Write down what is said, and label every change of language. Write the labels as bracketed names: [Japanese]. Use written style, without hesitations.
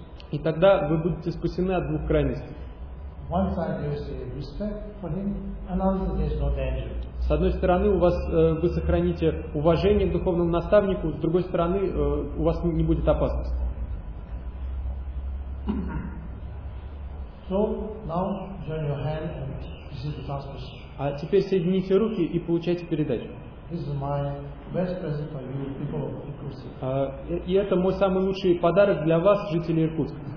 [Russian] И тогда вы будете спасены от двух крайностей. [English] One side you say respect for him, another there's no danger. [Russian] С одной стороны, у вас вы сохраните уважение к духовному наставнику, с другой стороны, у вас не будет опасности. [English] So now join your hand and receive the transmission. [Russian] А теперь соедините руки и получайте передачу. [English] This is my best present for you, people of Иркутск. [Russian] И это мой самый лучший подарок для вас, жителей Иркутска.